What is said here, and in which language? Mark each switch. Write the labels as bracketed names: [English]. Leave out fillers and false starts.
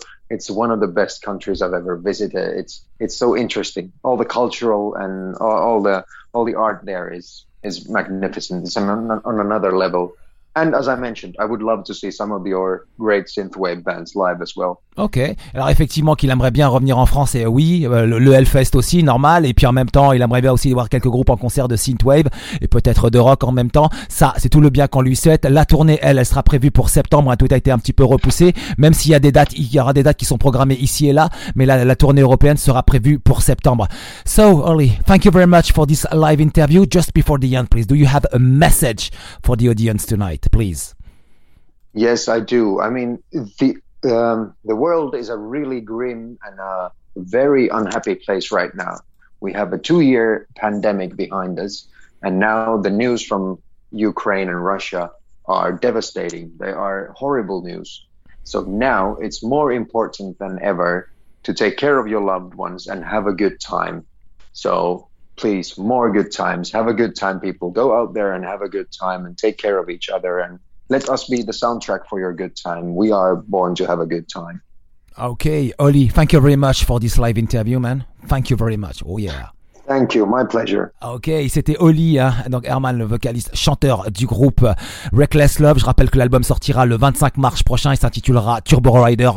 [English] It's one of the best countries I've ever visited. It's so interesting. All the cultural and all the art there is magnificent. It's on another level. And as I mentioned, I would love to see some of your great synthwave bands live as well. [French] Ok, alors effectivement qu'il aimerait bien revenir en France, et oui, le Hellfest aussi, normal, et puis en même temps, il aimerait bien aussi voir quelques groupes en concert de synthwave, et peut-être de rock en même temps, ça c'est tout le bien qu'on lui souhaite. La tournée, elle sera prévue pour septembre, tout a été un petit peu repoussé, même s'il y a des dates, il y aura des dates qui sont programmées ici et là, mais la tournée européenne sera prévue pour septembre. [English] So, Holly, thank you very much for this live interview. Just before the end, please, do you have a message for the audience tonight, please? Yes, I do. I mean, the world is a really grim and a very unhappy place right now. We have a 2-year pandemic behind us, and now the news from Ukraine and Russia are devastating. They are horrible news. So now it's more important than ever to take care of your loved ones and have a good time. So please, more good times. Have a good time, people. Go out there and have a good time and take care of each other, and let us be the soundtrack for your good time. We are born to have a good time. Okay, Holly, thank you very much for this live interview, man. Thank you very much. Oh, yeah. Thank you, my pleasure. [French] Ok, c'était Holly, donc Herman, le vocaliste, chanteur du groupe Reckless Love. Je rappelle que l'album sortira le 25 mars prochain et s'intitulera Turbo Rider.